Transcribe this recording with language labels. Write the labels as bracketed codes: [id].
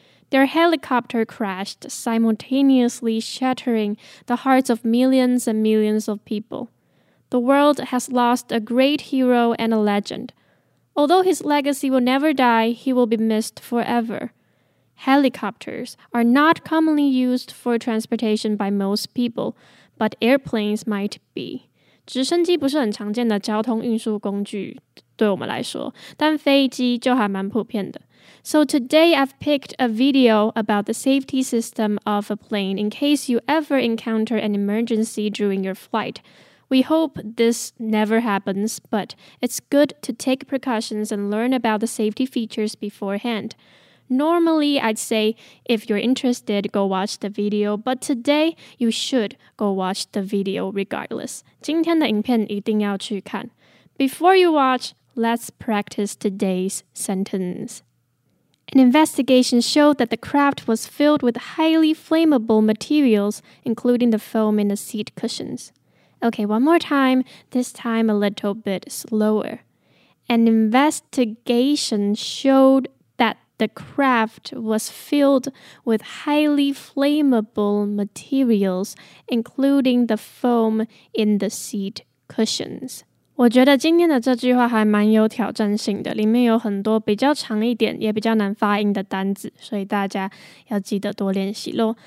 [en] Their helicopter crashed, simultaneously shattering the hearts of millions and millions of people. The world has lost a great hero and a legend. Although his legacy will never die, he will be missed forever. Helicopters are not commonly used for transportation by most people, but airplanes might be. [zh] 直升机不是很常见的交通运输工具对我们来说，但飞机就还蛮普遍的。 [en] So today I've picked a video about the safety system of a plane in case you ever encounter an emergency during your flight. We hope this never happens, but it's good to take precautions and learn about the safety features beforehand. Normally, I'd say, if you're interested, go watch the video, but today, you should go watch the video regardless. [zh] 今天的影片一定要去看。 [en] Before you watch, let's practice today's sentence. An investigation showed that the craft was filled with highly flammable materials, including the foam in the seat cushions. Okay, one more time, this time a little bit slower. An investigation showed that the craft was filled with highly flammable materials, including the foam in the seat cushions. [zh] 我觉得今天的这句话还蛮有挑战性的，里面有很多比较长一点也比较难发音的单字，所以大家要记得多练习咯。